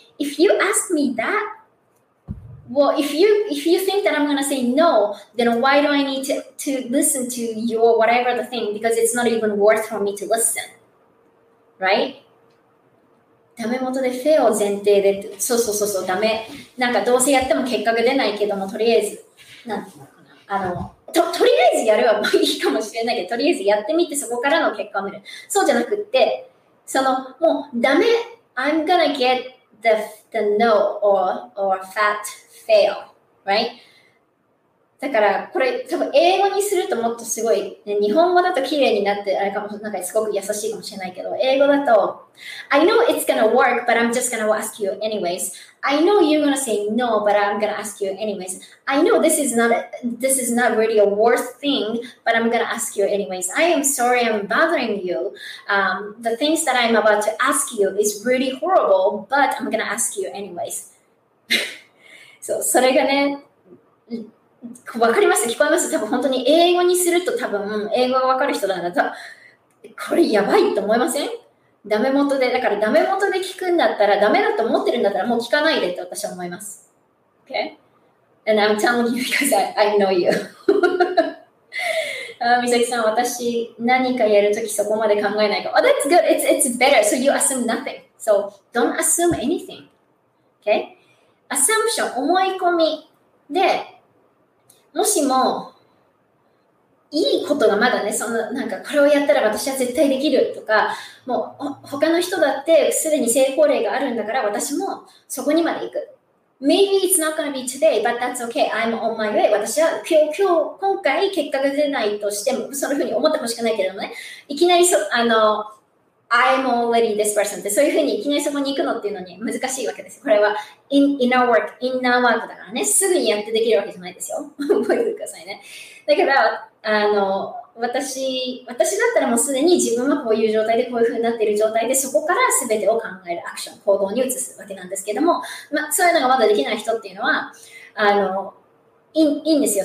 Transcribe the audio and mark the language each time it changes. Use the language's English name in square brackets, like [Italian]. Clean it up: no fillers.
[English] If you ask me that, well, if you think that I'm gonna say no, then why do I need to listen to your whatever the thing? Because it's not even worth for me to listen, right? [Japanese] ダメ元でフェを前提で、そうそうそうそう、ダメ。なんかどうせやっても結果が出ないけども、とりあえず、なんていうのかな。とりあえずやればいいかもしれないけど、とりあえずやってみてそこからの結果を見る。そうじゃなくって、その、もうダメ、 [English] I'm gonna get the no or fat fail, right? [Japanese] だから、これ多分英語にするともっとすごい、ね、日本語だと綺麗になって、あれかもしれない、なんかすごく優しいかもしれないけど、英語だと、 [English] I know it's gonna work, but I'm just gonna ask you anyways. I know you're gonna say no, but I'm gonna ask you anyways. I know this is not really a worth thing, but I'm gonna ask you anyways. I am sorry I'm bothering you. The things that I'm about to ask you is really horrible, but I'm gonna ask you anyways. [Japanese] そう、それがね、わかります？聞こえます？多分本当に英語にすると多分、英語がわかる人だなと、これやばいと思いません？ダメ元で、だからダメ元で聞くんだったら、ダメだと思ってるんだったらもう聞かないでって私は思います。 [English] Okay? And I'm telling you because I know you. [Japanese] 美咲さん、私何かやるときそこまで考えないか。 [English] Oh, that's good. It's better. So you assume nothing. So don't assume anything. Okay? [Japanese] Assumption, 思い込みで、もしも、いいことがまだね、そのなんかこれをやったら私は絶対できるとか、もう他の人だってすでに成功例があるんだから私もそこにまで行く。 [English] Maybe it's not gonna be today, but that's okay. I'm on my way. [Japanese] 私は今回結果が出ないとしても、そういうふうに思ってほしくないけれどもね。いきなり [English] I'm already this person [Japanese] って、そういうふうにいきなりそこに行くのっていうのに難しいわけです。これは inner work, inner work だからね。すぐにやってできるわけじゃないですよ。覚えてくださいね。だから、私だったらもうすでに自分はこういう状態でこういう風になっている状態でそこから全てを考えるアクション行動に移すわけなんですけども、まあ、そういうのがまだできない人っていうのはいいんですよ。